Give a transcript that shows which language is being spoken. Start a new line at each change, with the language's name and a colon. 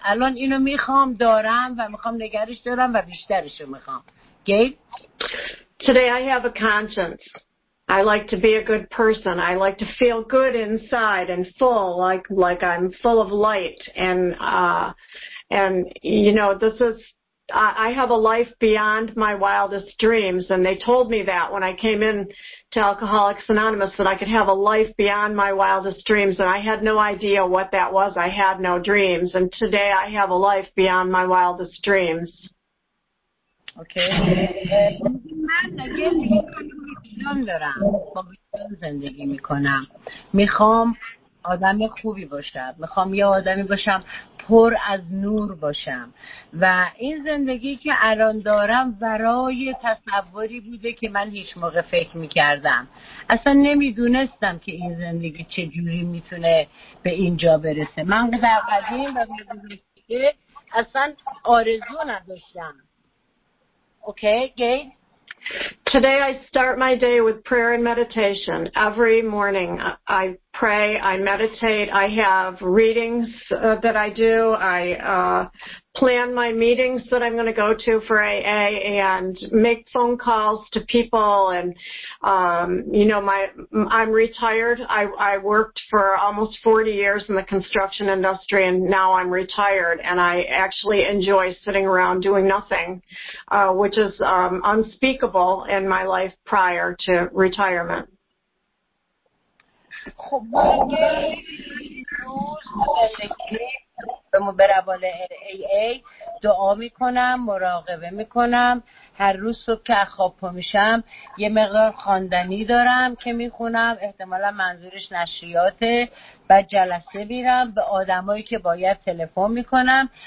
Persian: الان اینو میخوام، دارم و میخوام نگرش دارم و بیشترشو میخوام. گیل؟
English: Today I have a conscience. I like to be a good person. I like to feel good inside and full, like I'm full of light. And you know, this is, I have a life beyond my wildest dreams. And they told me that when I came in to Alcoholics Anonymous, that I could have a life beyond my wildest dreams. And I had no idea what that was. I had no dreams. And today I have a life beyond my wildest dreams.
Persian: اوکی من دیگه ویژن دارم، خب ویژن زندگی میکنم، میخوام آدم خوبی باشم، میخوام یه آدمی باشم پر از نور باشم و این زندگی که الان دارم ورای تصوری بوده که من هیچ موقع فکر میکردم. اصلا نمیدونستم که این زندگی چه جوری میتونه به اینجا برسه. من در قدیم و بزرگی اصلا آرزو نداشتم.
English: Okay, Gay. Today I start my day with prayer and meditation. Every morning I pray, I meditate, I have readings that I do, I plan my meetings that I'm going to go to for AA and make phone calls to people. And, you know, I'm retired. I worked for almost 40 years in the construction industry, and now I'm retired. And I actually enjoy sitting around doing nothing, which is unspeakable in my life prior to retirement.
Persian: خب دیگه روز به روال AA دعا میکنم، مراقبه میکنم، هر روز صبح که خواب پا میشم یه مقدار خواندنی دارم که میخونم، احتمالا منظورش نشریاته، بعد جلسه میرم، به آدمایی که باید تلفن میکنم.